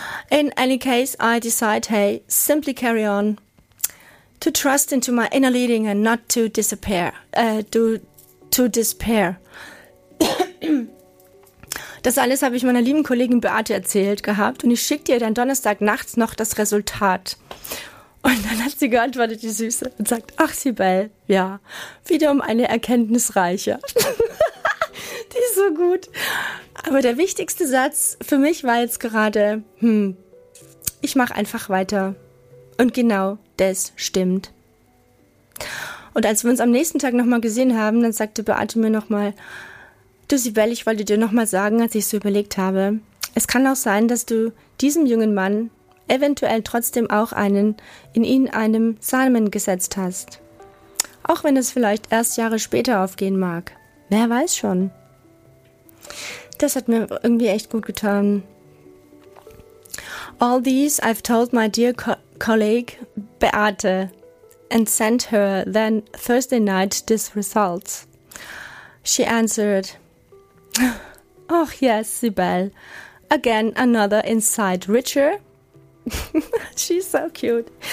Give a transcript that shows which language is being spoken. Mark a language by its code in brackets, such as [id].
[en] In any case, I decide, hey, simply carry on to trust into my inner leading and not to disappear, to despair. [de] Das alles habe ich meiner lieben Kollegin Beate erzählt gehabt und ich schicke ihr dann Donnerstag nachts noch das Resultat. Und dann hat sie geantwortet, die Süße, und sagt, ach Sibel, ja, wiederum eine erkenntnisreiche. Die ist so gut. Aber der wichtigste Satz für mich war jetzt gerade, ich mache einfach weiter. Und genau das stimmt. Und als wir uns am nächsten Tag nochmal gesehen haben, dann sagte Beate mir nochmal, du Sibel, ich wollte dir nochmal sagen, als ich so überlegt habe, es kann auch sein, dass du diesem jungen Mann eventuell trotzdem auch einen in ihn einem Samen gesetzt hast. Auch wenn es vielleicht erst Jahre später aufgehen mag. Wer weiß schon. Das hat mir irgendwie echt gut getan. [en] All these I've told my dear colleague Beate and sent her then Thursday night this result. She answered, Oh yes, Sibel, again another insight richer. She's so cute.